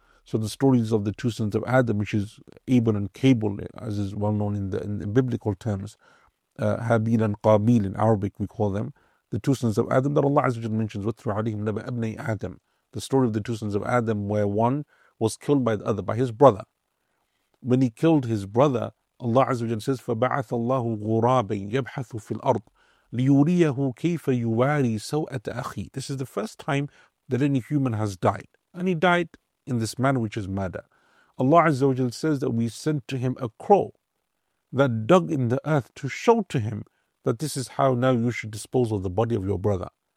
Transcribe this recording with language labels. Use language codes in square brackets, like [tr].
[en] So the stories of the two sons of Adam, which is Abel and Cabel, as is well known in the biblical terms, Habil and Qabil in Arabic, we call them, the two sons of Adam, that Allah Azza wa Jalla mentions, [ar] وَتْرُ عَلَيْهِمْ نَبَأَ أَبْنَيْ [en] Adam, the story of the two sons of Adam, where one was killed by the other, by his brother. When he killed his brother, Allah Azza wa Jalla says, [ar] فَبَعَثَ اللَّهُ غُرَابًا يَبْحَثُ فِي الْأَرْضِ لِيُرِيَهُ كَيْفَ يُوَارِي سَوْءَةَ أَخِيهِ. [en] This is the first time that any human has died. And he died in this manner, which is murder. Allah Azza wa Jalla says that we sent to him a crow that dug in the earth to show to him that this is how now you should dispose of the body of your brother.